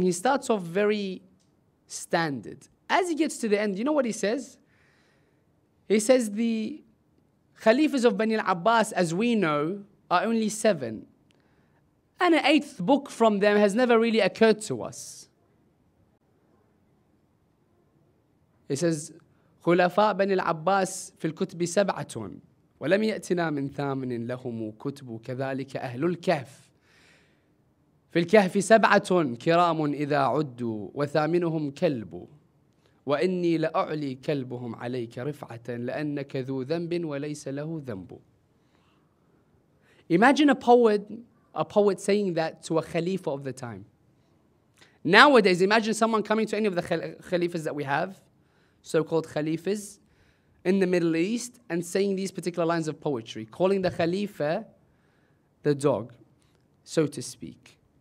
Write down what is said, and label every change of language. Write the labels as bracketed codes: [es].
[en] He starts off very standard. As he gets to the end, you know what he says? He says the Khalifas of Bani Al-Abbas, as we know, are only seven. And an eighth book from them has never really occurred to us. He says, [ar] خلفاء بني العباس في الكتب سبعة ولم يأتنا من ثامن لهم كتب كذلك أهل الكهف في الكهف سبعة كرام إذا عدوا وثامنهم كلب وإني لأعلي كلبهم عليك رفعة لأنك ذو ذنب وليس له ذنب. [en] Imagine a poet saying that to a khalifa of the time. Nowadays, imagine someone coming to any of the khalifas that we have, so-called khalifas, in the Middle East, and saying these particular lines of poetry, calling the khalifa the dog, so to speak.